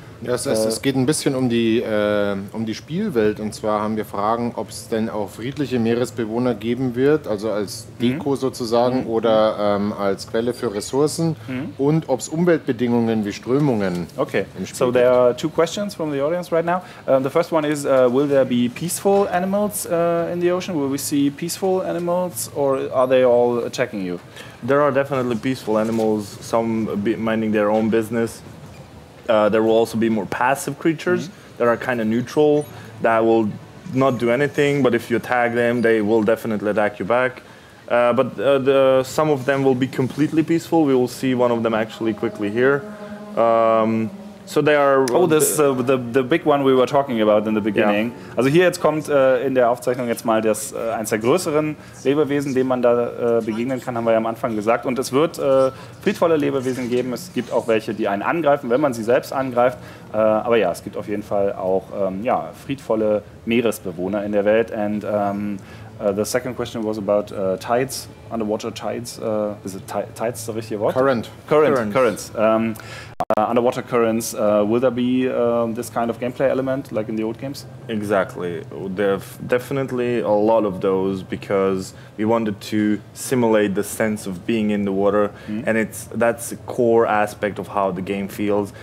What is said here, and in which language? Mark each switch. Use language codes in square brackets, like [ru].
[de] Ja, es geht ein bisschen um die Spielwelt. Und zwar haben wir Fragen, ob es denn auch friedliche Meeresbewohner geben wird, also als Deko sozusagen oder als Quelle für Ressourcen und ob es Umweltbedingungen wie Strömungen im Spiel gibt. [en] So there are two questions from the audience right now. The first one is, will there be peaceful animals in the ocean? Will we see peaceful animals or are they all attacking you? There are definitely peaceful animals, some minding their own business. There will also be more passive creatures that are kind of neutral, that will not do anything, but if you attack them, they will definitely attack you back. But some of them will be completely peaceful. We will see one of them actually quickly here. So they are. Oh, this the big one we were talking about in the beginning. Yeah. [de] Also hier jetzt kommt in der Aufzeichnung jetzt mal das eins der größeren Lebewesen, dem man da begegnen kann, haben wir ja am Anfang gesagt. Und es wird friedvolle Lebewesen geben. Es gibt auch welche, die einen angreifen, wenn man sie selbst angreift. Aber ja, es gibt auf jeden Fall auch ja, friedvolle Meeresbewohner in der Welt. [en] And the second question was about tides, underwater tides. Is it tides the [de] richtige Wort? [en] Currents. Underwater currents. Will there be this kind of gameplay element like in the old games? Exactly. Definitely a lot of those, because we wanted to simulate the sense of being in the water, and that's a core aspect of how the game feels.